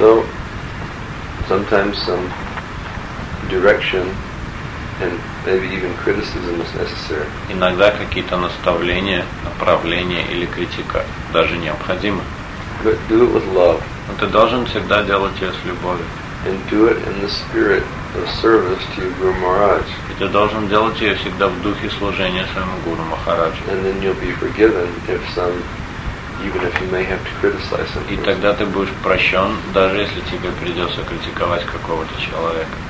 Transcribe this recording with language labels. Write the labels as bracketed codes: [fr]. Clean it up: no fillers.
[en] So, sometimes some direction and maybe even criticism is necessary. [ru] Иногда какие-то наставления, направления или критика даже необходимы. [en] But do it with love. [ru] Но ты должен всегда делать ее с любовью. [en] And do it in the spirit. The service to your Guru Maharaj. [ru] И ты должен делать ее всегда в духе служения своему Гуру Махараджу. [en] And then you'll be forgiven if some, even if you may have to criticize some. [ru] И тогда ты будешь прощен, даже если тебе придется критиковать какого-то человека.